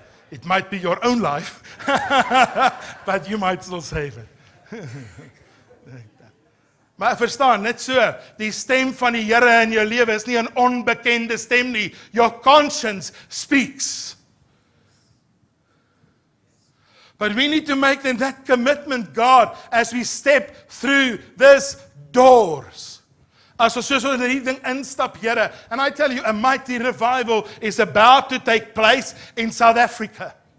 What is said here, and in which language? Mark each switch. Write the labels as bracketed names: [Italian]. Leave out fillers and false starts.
[English] it might be your own life, but you might still save it. [Afrikaans] Maar verstaan, net so, die stem van die Here in jou lewe is nie 'n onbekende stem nie. [English] Your conscience speaks. But we need to make then that commitment, God, as we step through these doors. [Afrikaans] As ons soos in die ding instap, [English] Here, and I tell you, a mighty revival is about to take place in South Africa.